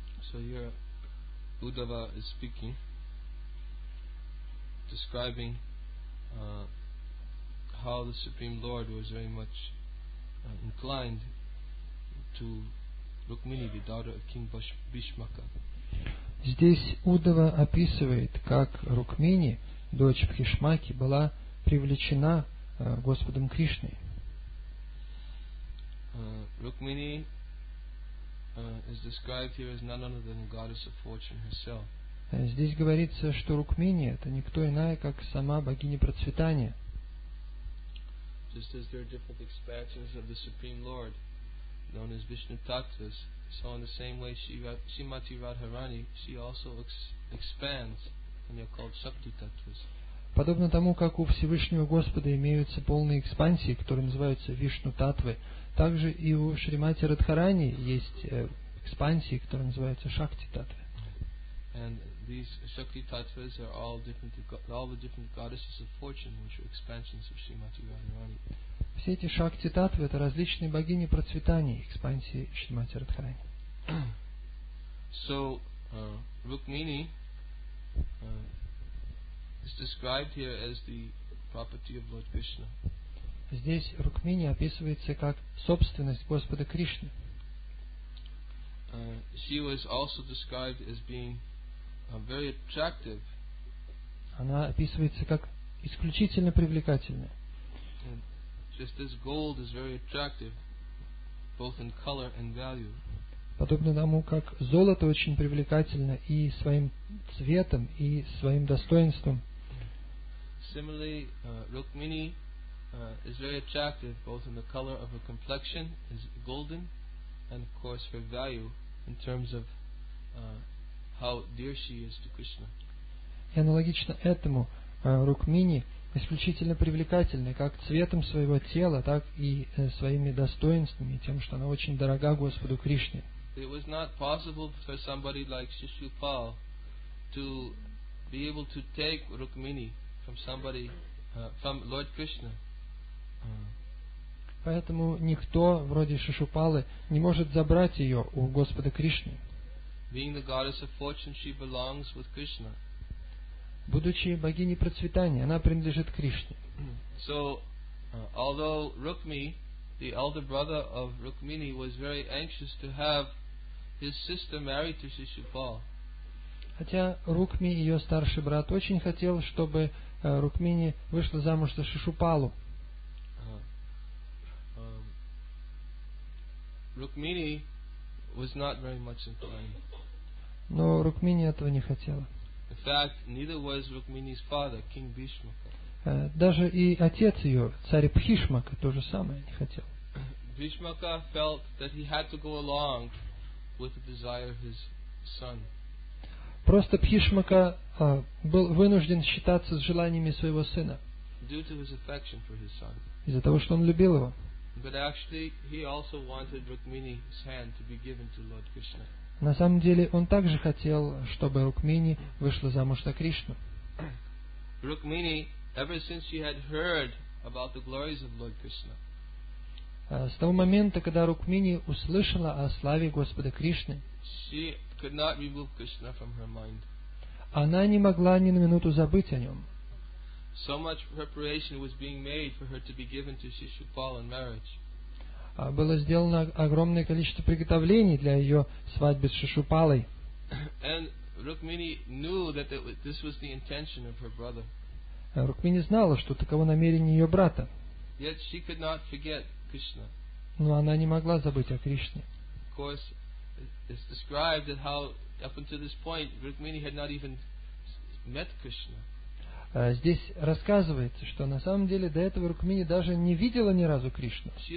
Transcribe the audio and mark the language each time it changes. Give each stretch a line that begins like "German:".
English: So here Uddhava is speaking, describing how the Supreme Lord was very much inclined to Rukmini, the daughter of King Bhishmaka.
Russian: Здесь Уддава описывает, как Рукмини, дочь Бхишмаки, была привлечена Господом Кришной.
English: Рукмини is described here as none other than the goddess of fortune herself.
Russian: Здесь говорится, что Рукмини — это никто иная, как сама богиня процветания.
English: Just as there are different expansions of the Supreme Lord, known as Vishnu Tattvas, so in the same way Shrimati Radharani, she also expands and they're called Shakti Tattvas.
Russian: Подобно тому, как у Всевышнего Господа имеются полные экспансии, которые называются Вишну Таттвы, также и у Шримати Радхарани есть экспансии, которые называются Шакти Таттвы.
English: And these Shakti Tattvas are all the different goddesses of fortune, which are expansions of Shrimati Radharani.
Russian: Все эти Шакти Таттвы — это различные богини процветания, экспансии Шримати Радхарани.
English: So, Rukmini is described here as the property of Lord Krishna.
Russian: Здесь Рукмини описывается как собственность Господа Кришны.
English: She was also described as being very attractive.
Russian: Она описывается как исключительно привлекательная.
English: Just as gold is very attractive, both in color and value.
Russian: Подобно тому, как золото очень привлекательно и своим цветом, и своим достоинством.
English: Similarly, Rukmini is very attractive both in the color of her complexion, is golden, and of course her value in terms of how dear she is to Krishna.
Russian: И аналогично этому, Рукмини исключительно привлекательна как цветом своего тела, так и своими достоинствами, тем, что она очень дорога Господу Кришне.
English: It was not possible for somebody like Shishupal to be able to take Rukmini from somebody, from Lord Krishna.
Russian: Поэтому никто, вроде Шишупалы, не может забрать ее у Господа Кришны.
English: Being the goddess of fortune, she belongs with Krishna.
Russian: Будучи богиней процветания, она принадлежит Кришне.
English: So, although Rukmi, the elder brother of Rukmini, was very anxious to have his sister married to Shishupal.
Russian: Хотя Рукми, ее старший брат, очень хотел, чтобы Рукмини вышла замуж за Шишупалу.
English: Rukmini was not very much inclined.
Russian: Но Рукмини этого не хотела.
English: In fact, neither was Rukmini's father, King Bhishmaka.
Russian: Даже и отец ее, царь Бхишмака, то же самое не хотел.
English: Bhishmaka felt that he had to go along with the desire of his son.
Russian: Просто Бхишмака был вынужден считаться с желаниями своего сына.
English: Due to his affection for his son.
Russian: Из-за того, что он любил его.
English: But actually, he also wanted Rukmini's hand to be given to Lord Krishna.
Russian: На самом деле, он также хотел, чтобы Рукмини вышла замуж за Кришну.
English: Rukmini, ever since she had heard about the glories of Lord Krishna.
Russian: С того момента, когда Рукмини услышала о славе Господа Кришны,
English: she could not remove Krishna from her mind.
Russian: Она не могла ни на минуту забыть о нем.
English: So much preparation was being made for her to be given to Shishupal in marriage.
Russian: Было сделано огромное количество приготовлений для ее свадьбы с Шишупалой.
English: And Rukmini knew that this was the intention of her brother.
Russian: Рукмини знала, что таково намерение ее брата.
English: Yet she could not forget Krishna.
Russian: Но она не могла забыть о Кришне.
English: Of course, it's described that how up until this point Rukmini had not even met Krishna.
Russian: Здесь рассказывается, что на самом деле до этого Рукмини даже не видела ни разу Кришну.